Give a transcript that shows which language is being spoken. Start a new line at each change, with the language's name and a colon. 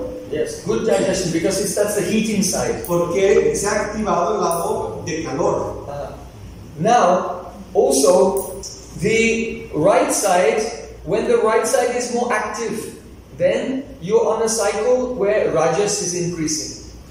English: Yes, good digestion because it starts the heat inside.
Spanish: Porque se ha activado el lado de calor.
English: Now, also, the right side, when the right side is more active, then you're on a cycle where Rajas is increasing.